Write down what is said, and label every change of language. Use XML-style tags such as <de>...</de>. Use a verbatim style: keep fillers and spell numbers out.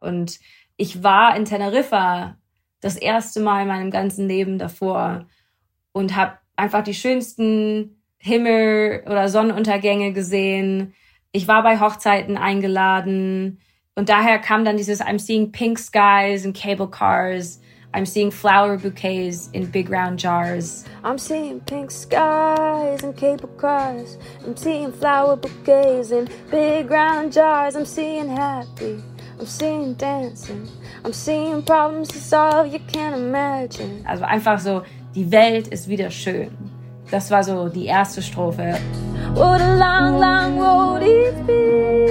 <de>Und ich war in Teneriffa das erste Mal in meinem ganzen Leben davor und habe einfach die schönsten Himmel- oder Sonnenuntergänge gesehen. Ich war bei Hochzeiten eingeladen. Und daher kam dann dieses</de> <en>I'm seeing pink skies and cable cars. I'm seeing flower bouquets in big round jars. I'm seeing pink skies and cable cars. I'm seeing flower bouquets in big round jars. I'm seeing happy. I'm seeing dancing. I'm seeing problems to solve you can't imagine.</en> <de>Also einfach so, die Welt ist wieder schön. Das war so die erste Strophe.</de> <en>What a long, long road it's been.</en>